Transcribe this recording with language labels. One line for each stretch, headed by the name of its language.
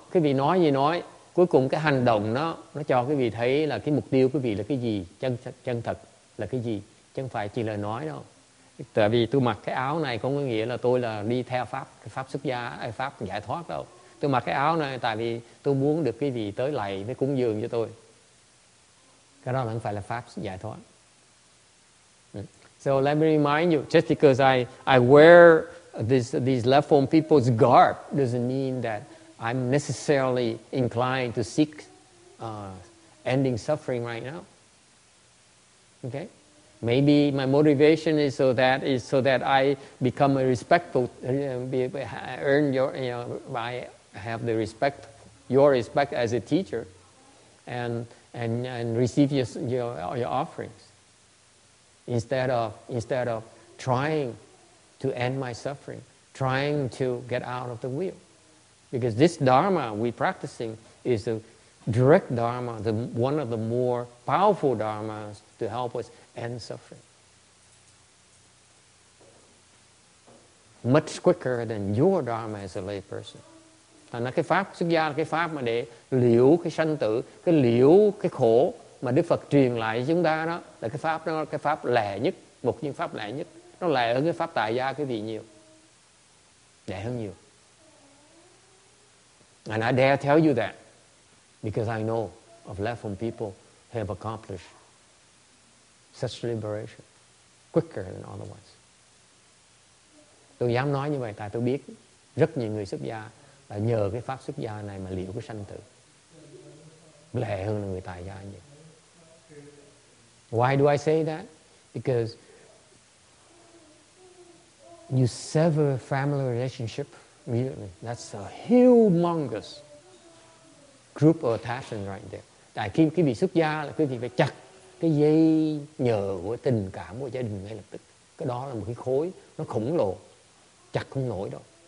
Vietnamese: Quý vị nói gì nói, cuối cùng cái hành động nó cho quý vị thấy là cái mục tiêu quý vị là cái gì, chân thật là cái gì, chứ không phải chỉ lời nói đâu. Tại vì tôi mặc cái áo này không có nghĩa là tôi là đi theo pháp xuất gia, pháp giải thoát đâu. Tôi mặc cái áo này tại vì tôi muốn được quý vị tới lạy với cúng dường cho tôi. Cái đó là không phải là pháp giải thoát.
English: So let me remind you, just because I wear these left home people's garb doesn't mean that I'm necessarily inclined to seek ending suffering right now. Okay? Maybe my motivation is so that I become a respectful, earn your, you know, I have the respect, your respect as a teacher, and receive your offerings. Instead of trying to end my suffering, trying to get out of the wheel. Because this dharma we're practicing is the direct dharma, the one of the more powerful dharmas to help us end suffering. Much quicker than your dharma as a lay person.
Vietnamese: Thành ra cái pháp xuất gia là cái pháp mà để liễu cái sanh tử, cái liễu cái khổ mà Đức Phật truyền lại chúng ta đó, là cái pháp đó, cái pháp lẹ nhất, một những pháp lẹ nhất. Nó lẹ hơn cái pháp tại gia cái gì nhiều. Lẹ hơn nhiều.
English: And I dare tell you that because I know of left-home people who have accomplished such liberation quicker than otherwise.
Vietnamese: Tôi dám nói như vậy tại tôi biết rất nhiều người xuất gia là nhờ cái pháp xuất gia này mà liễu cái sanh tử. Lẹ hơn là người tại gia nhiều.
English: Why do I say that? Because you sever family relationship immediately. That's a humongous group of attachment right there.
Vietnamese: Tại khi quý vị xuất gia là quý vị phải chặt cái dây nhờ của tình cảm của gia đình ngay lập tức. Cái đó là một cái khối nó khổng lồ, chặt không nổi đâu.